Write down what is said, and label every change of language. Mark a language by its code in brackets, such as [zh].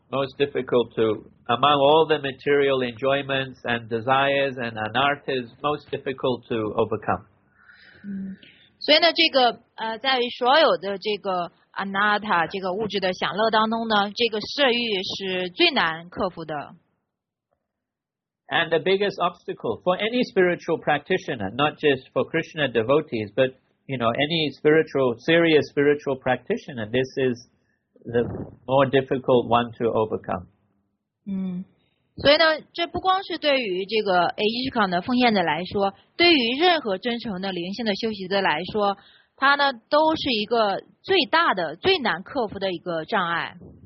[en] Most difficult to, among all the material enjoyments and desires and anarthas, most difficult to overcome. [zh] 所以呢，这个在所有的这个 anartha 这个物质的享乐当中呢，这个色欲是最难克服的。 [en] And the biggest obstacle for any spiritual practitioner, not just for Krishna devotees, but you know any serious spiritual practitioner, this is. The more difficult one to overcome. [zh] 所以呢，这不光是对于这个 ISKCON 的奉献者来说，对于任何真诚的灵性的修习者来说，它呢都是一个最大的最难克服的一个障碍。